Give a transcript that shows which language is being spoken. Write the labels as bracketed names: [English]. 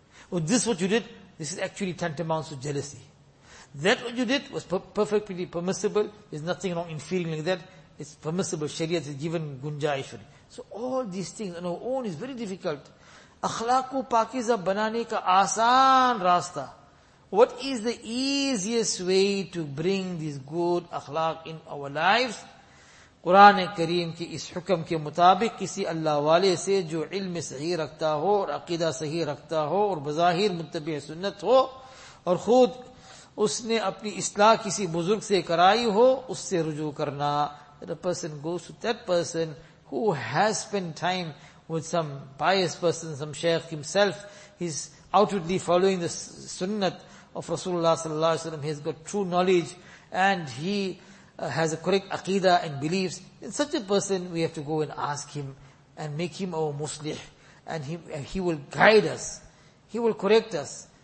[English] Well, this what you did, this is actually tantamount to jealousy. That what you did was perfectly permissible, there's nothing wrong in feeling like that, it's permissible, Sharia is given gunjaish. So all these things on our own is very difficult. [Urdu] Akhlaq-u pakiza banane ka aasan raasta. [English] What is the easiest way to bring this good akhlaq in our lives? [Urdu] قرآن کریم کی اس حکم کے مطابق کسی اللہ والے سے جو علم صحیح رکھتا ہو اور عقیدہ صحیح رکھتا ہو اور بظاہر متبع سنت ہو اور خود اس نے اپنی اصلاح کسی بزرگ سے کرائی ہو اس سے رجوع کرنا. [English] That a person goes to that person who has spent time with some pious person, some sheikh himself, he's outwardly following the sunnat of Rasulullah صلی اللہ علیہ وسلم, he's got true knowledge and he has a correct aqidah and beliefs, in such a person we have to go and ask him and make him our muslih, and he will guide us, he will correct us.